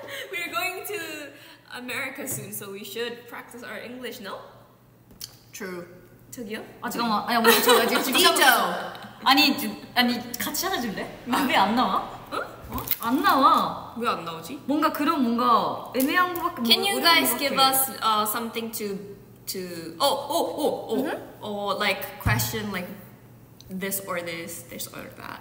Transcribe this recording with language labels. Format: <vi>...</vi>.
<en>We're going to America soon, so we should practice our English, no? True.</en> <ko>아 잠깐만. 아니 뭐 저 지금 아니 같이 하자 줄래? 왜 안 나와? 응? 어? 안 나와. 왜 안 나오지? 뭔가 그런 뭔가 애매한 거밖에</ko> <en>Can you guys give us something to like question like this or this, this or that.</en>